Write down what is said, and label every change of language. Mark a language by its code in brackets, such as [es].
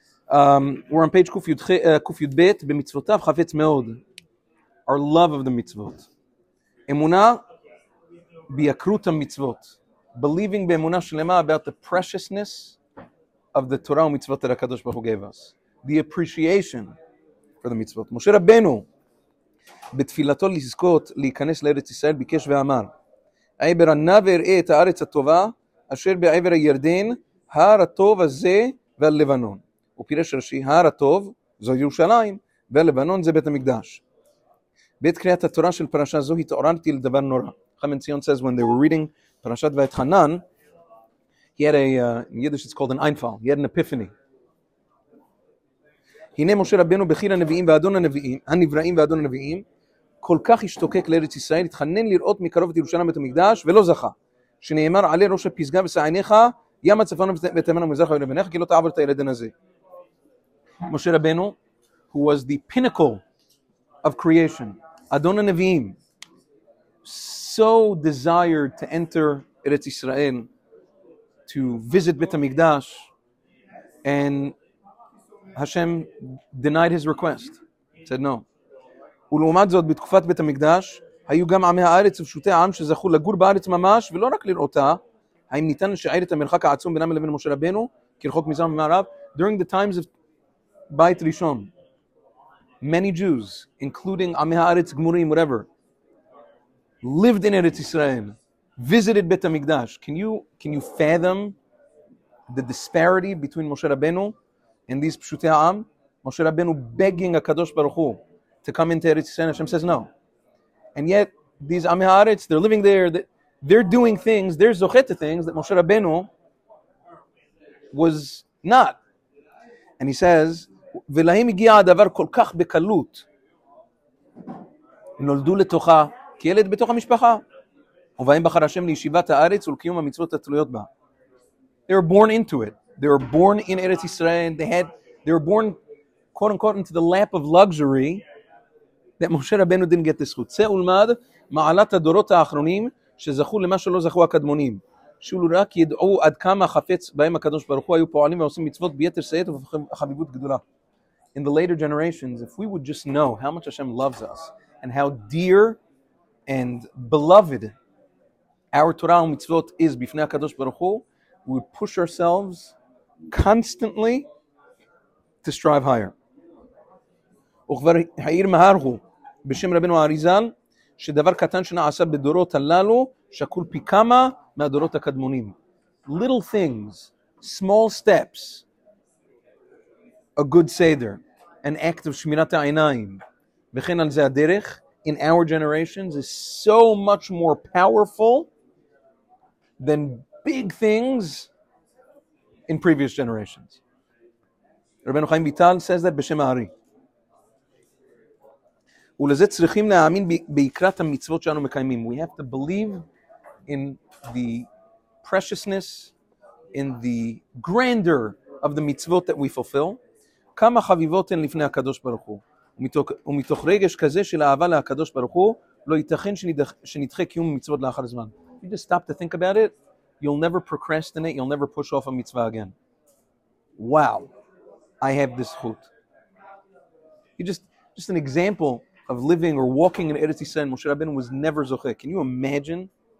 [en] We're on page Kuf Yud Bet. [he] B'Mitzvotav Chafetz Meod. [en] Our love of the mitzvot. [he] Emuna B'Yakrut HaMitzvot. [en] Believing B'Emuna Shlema about the preciousness of the Torah and mitzvot that HaKadosh Baruch Hu gave us. The appreciation for the mitzvot. [he] Moshe Rabbeinu, בתפילתו לזכות להיכנס לארץ ישראל, ביקש ואמר, עבר ענה וראה את הארץ הטובה, אשר בעבר הירדן, הר הטוב הזה והלבנון. ופירש רש"י, הר הטוב זו ירושלים, והלבנון זה בית המקדש. בית קריאת התורה של פרשה זו התעוררתי לדבר נורא. [en] חמן ציון says when they were reading פרשת ואתחנן, he had a, in Yiddish it's called an einfall, he had an epiphany. [he] הנה משה רבנו בחיר הנביאים ואדון הנביאים, הנבראים ואדון הנביאים, כל כך השתוקק לארץ ישראל, התחנן לראות מקרוב את ירושלים את המקדש, ולא זכה. שנאמר עלי ראש הפסגה וסעניך, ים הצפון ותימן המזרח ולבניך, כי לא תעבור את הירדן הזה. [en] משה רבנו, who was the pinnacle of creation, אדון הנביאים, so desired to enter ארץ ישראל, to visit בית המקדש, and Hashem denied his request, said no. [he] ולעומת זאת, בתקופת בית המקדש, היו גם עמי הארץ ופשוטי העם שזכו לגור בארץ ממש, ולא רק לראותה, האם ניתן לשער את המרחק העצום בינם לבין משה רבנו, כרחוק מזרח ומערב, [en] during the times of בית ראשון, many Jews, including עמי הארץ גמורים, whatever, lived in ארץ ישראל, visited בית המקדש. Can you fathom the disparity between משה רבנו and these פשוטי העם? משה רבנו begging הקדוש ברוך הוא, to come into Eretz Yisrael, Hashem says no. And yet, these Ami Haaretz, they're living there, they're doing things, they're zochet to things that Moshe Rabbeinu was not. And he says, [he] ולהם הגיע הדבר כל כך בקלות, נולדו לתוכה, כילד בתוך המשפחה, ובהם בחר השם לישיבת הארץ ולקיום המצוות התלויות בה. [en] They were born into it. They were born in Eretz Yisrael. They were born, quote unquote, into the lap of luxury, that Moshe Rabbeinu didn't get this זכות. [he] צא ולמד מעלת הדורות האחרונים שזכו למה שלא זכו הקדמונים. שאולו רק ידעו עד כמה חפץ בהם הקדוש ברוך הוא היו פועלים ועושים מצוות ביתר שאת ובחביבות גדולה. [en] In the later generations, if we would just know how much Hashem loves us and how dear and beloved our Torah ומצוות is בפני הקדוש ברוך הוא, we would push ourselves constantly to strive higher. [he] וכבר העיר מהר הוא בשם רבנו האריזל שדבר קטן שנעשה בדורות הללו שקול פי כמה מהדורות הקדמונים. [en] Little things, small steps, a good seder, an act of שמירת העיניים, [he] וכן על זה הדרך, [en] in our generations is so much more powerful than big things in previous generations. [he] רבנו חיים ויטל [en] says that [he] בשם הארי. ולזה צריכים להאמין בעקרת המצוות שאנו מקיימים. [en] We have to believe in the preciousness, in the grandeur of the מצוות that we fulfill. [he] כמה חביבות הן לפני הקדוש ברוך הוא. ומתוך רגש כזה של אהבה להקדוש ברוך הוא, לא ייתכן שנדחה קיום המצוות לאחר זמן. [en] If you just stop to think about it, you'll never procrastinate, you'll never push off a mitzvah again. Wow, I have this chut. Just an example of living or walking in Eretz Yisrael, Moshe Rabbeinu was never zocheh. Can you imagine?